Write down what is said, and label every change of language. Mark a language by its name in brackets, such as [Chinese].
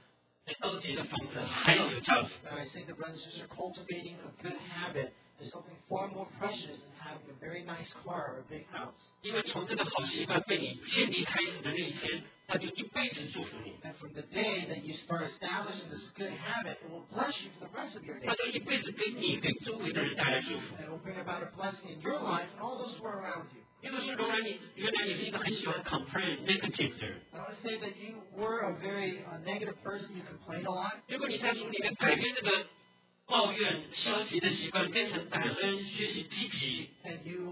[Chinese] 我常常跟弟兄姊妹讲，培养一个好的习惯，比你买一辆一口的车、高级的房子还要有价值。 [English] And I say the brothers are cultivating a good habit is something far more precious than having a very nice car or a big house. [Chinese] 因为从这个好习惯被你建立开始的那一天，他就一辈子祝福你。 [English] And from the day that you start establishing this good habit, it will bless you for the rest of your day. [Chinese] 他就一辈子给你、给周围的人带来祝福。 [English] And it will bring about a blessing in your life and all those who are around you. [Chinese] 比如说，原来你是一个很喜欢 [English] complain negative [Chinese] 的人。 [English] Let's say that you were a very negative person. You complained a lot. [Chinese] 如果你在主里面改变这个抱怨、消极的习惯，变成感恩、学习积极。 [English] And